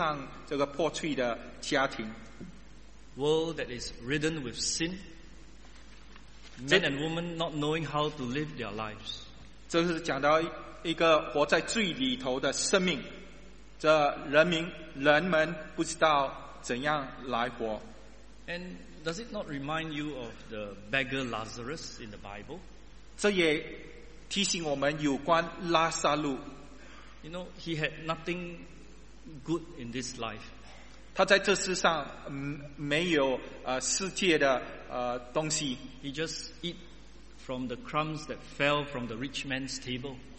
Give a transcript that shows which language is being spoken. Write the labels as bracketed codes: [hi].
[zh] 这故事讲到这个世界上这个破碎的家庭, [en] world that is ridden with sin, men and women not knowing how to live their lives. [zh] 这是讲到一个活在罪里头的生命, 这人们不知道怎样来活。 [en] And does it not remind you of the beggar Lazarus in the Bible? [zh] 这也提醒我们有关拉萨路。 [en] You know, he had nothing good in this life. [zh] 他在这世上没有世界的东西。 [en] He just eat from the crumbs that fell from the rich man's table.